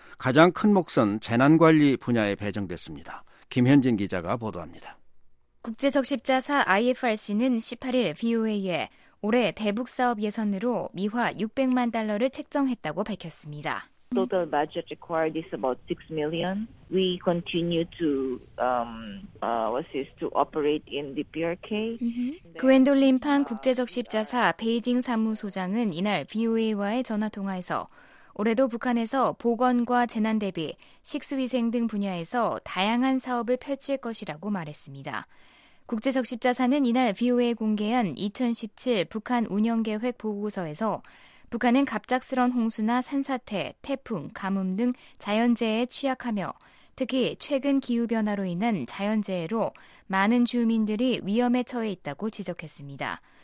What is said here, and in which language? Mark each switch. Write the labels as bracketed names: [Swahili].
[Korean] 가장 큰 몫은 재난관리 분야에 배정됐습니다. 김현진 기자가 보도합니다. 국제적십자사 IFRC는 18일 VOA에 올해 대북사업 예산으로 미화 600만 달러를 책정했다고 밝혔습니다. [English] Total budget required is about 6 million. We continue to assist to operate in the PRK. [Korean] 그웬돌린 판 국제적십자사 베이징 사무소장은 이날 VOA와의 전화통화에서 올해도 북한에서 보건과 재난 대비, 식수위생 등 분야에서 다양한 사업을 펼칠 것이라고 말했습니다. 국제적십자사는 이날 VOA에 공개한 2017 북한 운영계획 보고서에서 북한은 갑작스런 홍수나 산사태, 태풍, 가뭄 등 자연재해에 취약하며 특히 최근 기후변화로 인한 자연재해로 많은 주민들이 위험에 처해 있다고 지적했습니다.